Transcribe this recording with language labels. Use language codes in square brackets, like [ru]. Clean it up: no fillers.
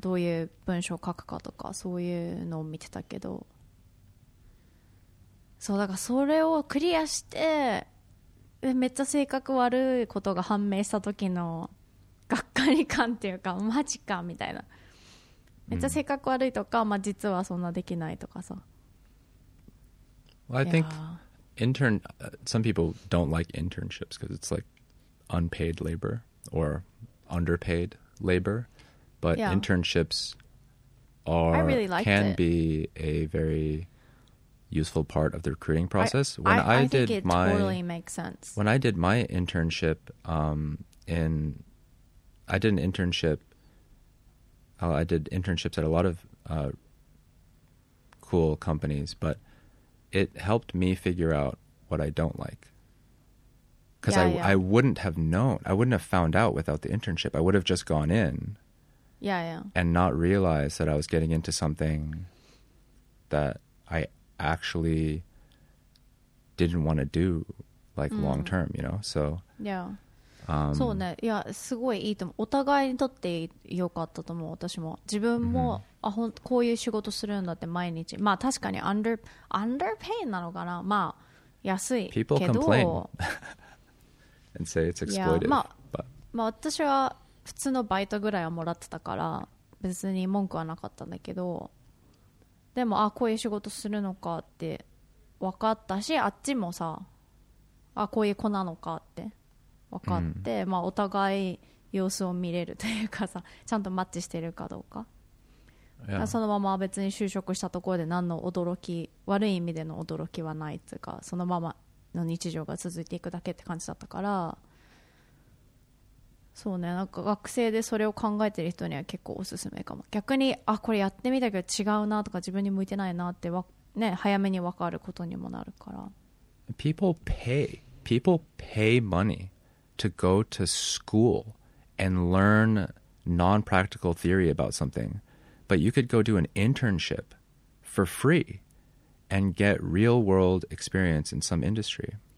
[ja] どういう文章を書くかとかそういうのを見てたけど、そうだからそれをクリアしてめっちゃ性格悪いことが判明した時のがっかり感っていうか、マジかみたいな、めっちゃ性格悪いとか、mm-hmm. まあ実はそんなできないとかさ。 [en] Well, I think intern, some people don't like internships because it's like unpaid labor or underpaid laborBut internships are, I really liked can it. Be a very useful part of the recruiting process. When I did my internship, I did internships at a lot of cool companies, but it helped me figure out what I don't like. Because I wouldn't have known, I wouldn't have found out without the internship. I would have just gone in. And not realize that I was getting into something that I actually didn't want to do, like long term, you know? So, [ja] そうね。いや、すごいいいと思う。お互いにとって良かったと思う、私も。自分も、mm-hmm. こういう仕事するんだって毎日。まあ確かにunderpaid なのかな。まあ安いけど。 [en] People complain and say it's exploitive. [ja] まあ私は普通のバイトぐらいはもらってたから別に文句はなかったんだけど、でもあこういう仕事するのかって分かったし、あっちもさあこういう子なのかって分かって、うん、まあお互い様子を見れるというかさ、ちゃんとマッチしてるかどうか、そのまま別に就職したところで何の驚き、悪い意味での驚きはないというか、そのままの日常が続いていくだけって感じだったから、そうね、なんか学生でそれを考えてる人には結構おすすめかも。逆にあこれやってみたけど違うなとか自分に向いてないなってわ、ね、早めに分かることにもなるから。 [en] People pay money to go to school and learn non-practical theory about something, but you could go do an internship for free and get real world experience in some industry.